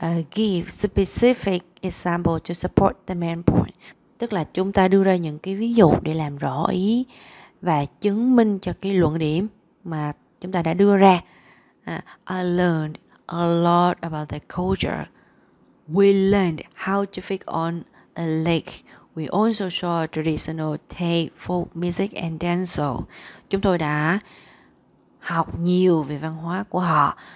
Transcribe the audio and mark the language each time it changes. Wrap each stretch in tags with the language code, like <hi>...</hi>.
<en>Give specific example to support the main point.</en> <vi>Tức là chúng ta đưa ra những cái ví dụ để làm rõ ý và chứng minh cho cái luận điểm mà chúng ta đã đưa ra.</vi> <en>I learned a lot about the culture. We learned how to fish on a lake. We also saw traditional Thai folk music and dance.</en> <vi>Chúng tôi đã học nhiều về văn hóa của họ.</vi>